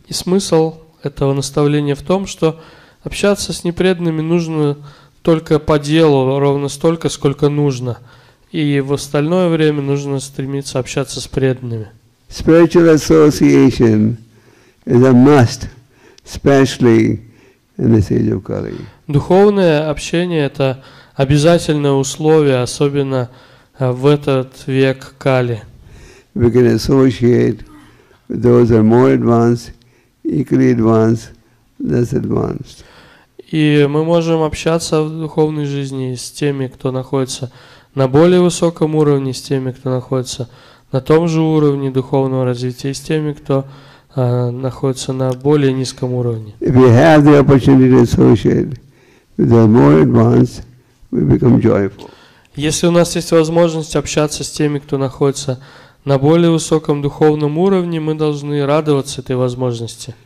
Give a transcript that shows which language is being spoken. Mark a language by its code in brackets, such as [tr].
[ru] И смысл этого наставления в том, что общаться с непреданными нужно только по делу, ровно столько, сколько нужно. И в остальное время нужно стремиться общаться с преданными. [en] Spiritual association is a must, especially in this age of Kali. [ru] Духовное общение – это обязательное условие, особенно в этот век Кали. [en] We can associate with those who are more advanced, equally advanced, less advanced. [ru] И мы можем общаться в духовной жизни с теми, кто находится на более высоком уровне, с теми, кто находится на том же уровне духовного развития, и с теми, кто находится на более низком уровне. [en] If we have the opportunity to associate with the more advanced, we become joyful. [ru] Если у нас есть возможность общаться с теми, кто находится на более высоком духовном уровне, мы должны радоваться этой возможности.